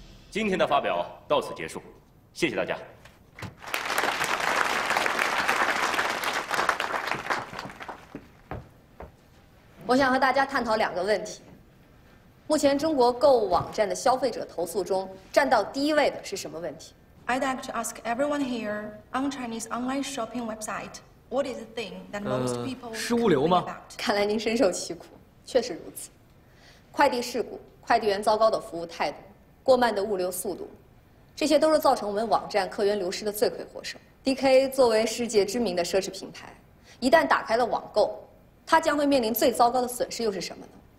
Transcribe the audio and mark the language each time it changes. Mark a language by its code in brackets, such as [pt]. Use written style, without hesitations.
[zh] 今天的发表到此结束，谢谢大家。我想和大家探讨两个问题。目前中国购物网站的消费者投诉中，占到第一位的是什么问题 [en] ？I'd like to ask everyone here on Chinese online shopping website, what is the thing that most people complain about? [zh] 是物流吗？看来您深受其苦，确实如此。快递事故、快递员糟糕的服务态度、过慢的物流速度，这些都是造成我们网站客源流失的罪魁祸首。 DK 作为世界知名的奢侈品牌，一旦打开了网购，它将会面临最糟糕的损失又是什么呢？